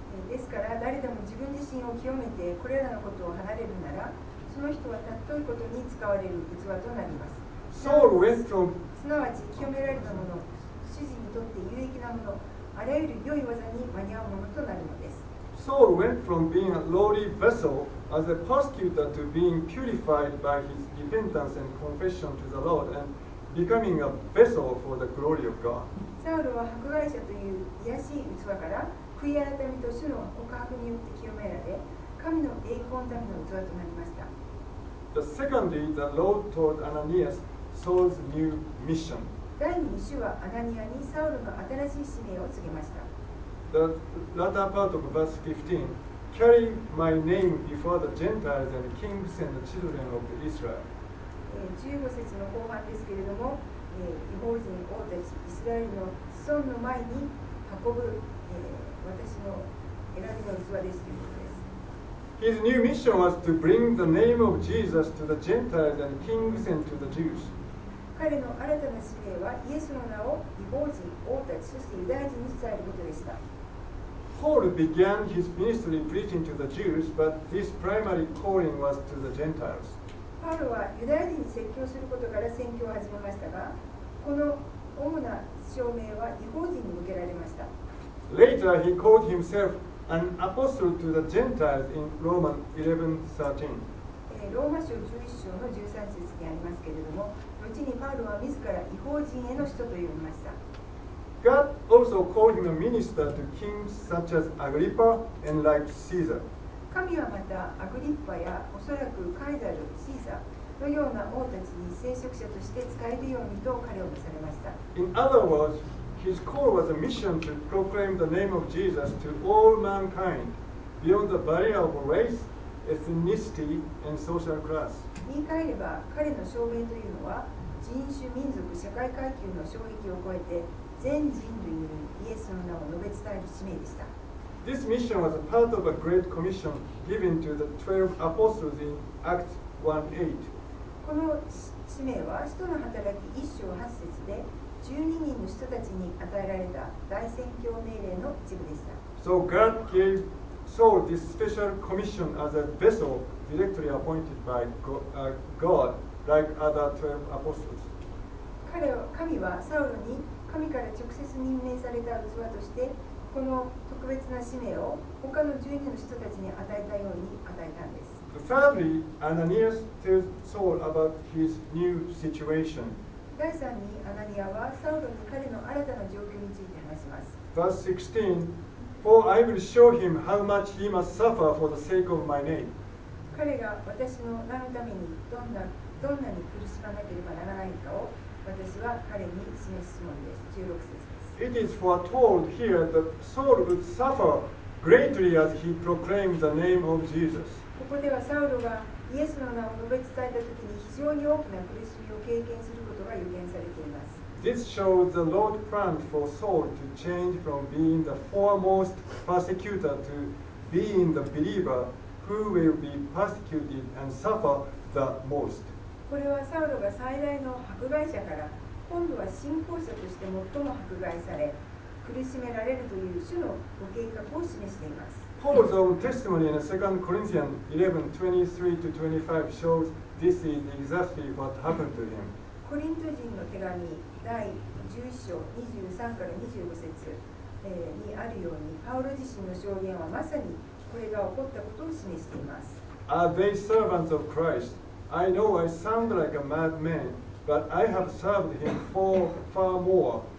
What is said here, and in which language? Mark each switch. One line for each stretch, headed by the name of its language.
Japanese: ですから誰でも自分自身を清めてこれらのことを離れるなら、その人はたっといことに使われる器となります。
English: Saul went from
Japanese: すなわち清められたもの、主人にとって有益なもの、あらゆる良い技に間に合うものとなるのです。
English: Saul went from being a lowly vessel as a persecutor to being purified by his repentance and confession to the Lord and becoming a vessel for the glory of God.
Japanese: Saul は迫害者という卑しい器から悔い改めと主の告白によって清められ神の栄光のための器となりました。
English: The second day, the Lord told Ananias Saul's new mission.
Japanese: 第2に主はアナニアにサウルの新しい使命を告げました。
English: The latter part of verse 15, carry my name before the Gentiles and kings and the children of Israel.
Japanese: 15節の後半ですけれども、異邦人王たちイスラエルの子孫の前に運ぶ、私の選びの器ですということです。
English: His new mission was to bring the name of Jesus to the Gentiles and kings and to the Jews.
Japanese: 彼の新たな使命はイエスの名を異邦人王たちそしてユダヤ人に伝えることでした。
English: Paul began his ministry preaching to the Jews, but his primary calling was to the Gentiles.
Japanese: パウロはユダヤ人に説教することから宣教を始めましたが、この主な証明は異邦人に向けられました。
English: Later, he called himself an apostle to the Gentiles in Romans 11:13.
Japanese: ローマ書11章の13節にありますけれども、後にパウロは自ら異邦人への使徒と呼びました。
English: God also called him a minister to kings such as Agrippa and like Caesar.
Japanese: 神はまたアグリッパやおそらくカイザル、シーザー、のような王たちに聖職者として使えるようにと彼を召されました。
English: In other words, his call was a mission to proclaim the name of Jesus to all mankind beyond the barrier of race, ethnicity, and social class.
Japanese: 言い換えれば、彼の召命というのは人種、民族、社会階級の障壁を超えて全人類にイエスの名を述べ伝える使命でした。
English: This mission was a part of a great commission given to the 12 apostles in Acts 1:8.
Japanese: この使命は使徒の働き一章八節で12人の使徒たちに与えられた大宣教命令の一部でした。
English: So God gave Saul this special commission as a vessel directly appointed by God, like other 12 apostles.
Japanese: 神はサウルに神から直接任命された器としてこの特別な使命を他の12人の使徒たちに与えたように与えたんです。
English: Thirdly, Ananias tells Saul about his new situation.
Japanese: 第3にアナニアはサウルに彼の新たな状況について話します。
English: Verse 16, For I will show him how much he must suffer for the sake of my name.
Japanese: 彼が私の名のためにどんなに苦しまなければならないかを私は彼に示すつもりです。16節です。
English: It is foretold here that Saul would suffer greatly as he proclaimed the name of Jesus.
Japanese: ここではサウルがイエスの名を述べ伝えたときに非常に大きな苦しみを経験することが予言されています。
English: This shows the Lord's plan for Saul to change from being the foremost persecutor to being the believer who will be persecuted and suffer the most.
Japanese: これはサウルが最大の迫害者から今度は信仰者として最も迫害され苦しめられるという主のご計画を示しています。
English: Paul's own testimony in 2 Corinthians 11:23-25 shows this is exactly what happened to him.
Japanese: コリント人の手紙第11章23-25節にあるようにパウロ自身の証言はまさにこれが起こったことを示しています。
English: Are they servants of Christ? I know I sound like a madmanBut I have served him far more.